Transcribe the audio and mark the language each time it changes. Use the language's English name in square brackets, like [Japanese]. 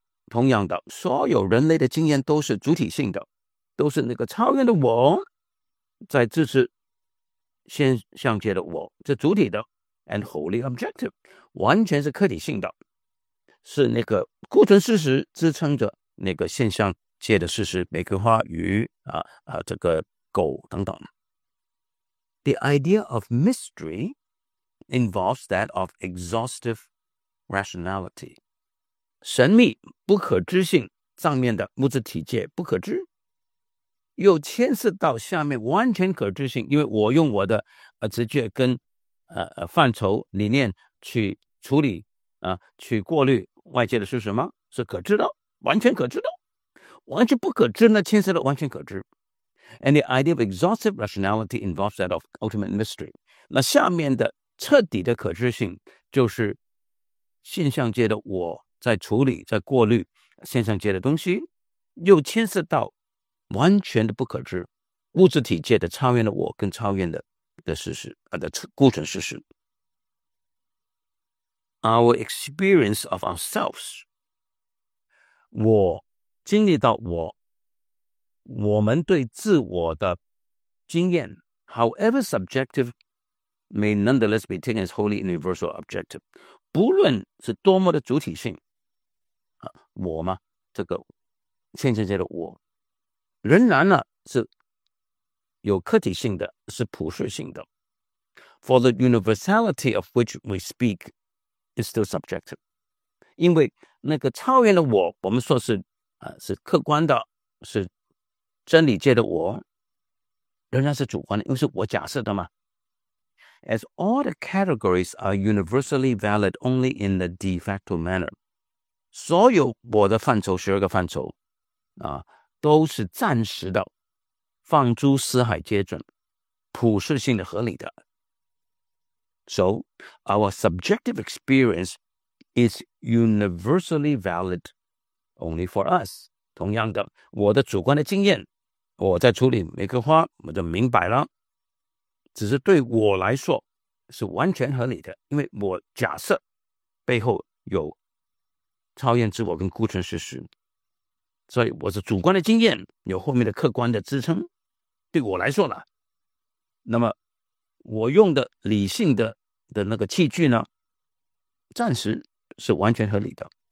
[Chinese] 同样的，所有人类的经验都是主体性的，都是那个超越的我在支持。现象界的我是主体的 [English] and wholly objective [Chinese] 完全是客体性的，是那个孤存事实支撑着那个现象界的事实，玫瑰花鱼这个狗等等。 [English] The idea of mystery involves that of exhaustive rationality. [Chinese] 神秘不可知性上面的物质体界不可知，又牵涉到下面完全可知性，因为我用我的直觉跟范畴理念去处理去过滤外界的是什么是可知的，完全可知的，完全不可知呢牵涉到完全可知。 [English] And the idea of exhaustive rationality involves that of ultimate mystery. [Chinese] 那下面的彻底的可知性就是现象界的我在处理在过滤现象界的东西，又牵涉到完全的不可知，物质体界的超越的我跟超越的事实的孤存事实。 [English] Our experience of ourselves, [Chinese] 我经历到我们对自我的经验 [English] ，however subjective, may nonetheless be taken as wholly universal objective. [Chinese] 不论是多么的主体性，我嘛，这个现象界的我。仍然呢是有客体性的，是普世性的。 [English] For the universality of which we speak is still subjective. [Chinese] 因为那个超越的我们说是客观的，是真理界的我，仍然是主观的，因为是我假设的嘛。 [English] As all the categories are universally valid only in the de facto manner, [Chinese] 所有我的范畴十二个范畴啊，都是暂时的，放诸四海皆准，普世性的合理的。 [English] So, our subjective experience is universally valid only for us. [Chinese] 同样的，我的主观的经验，我在处理每个花，我就明白了，只是对我来说是完全合理的，因为我假设背后有超验自我跟孤存事实，所以我是主观的经验，有后面的客观的支撑，对我来说呢，那么我用的理性的那个器具呢，暂时是完全合理的。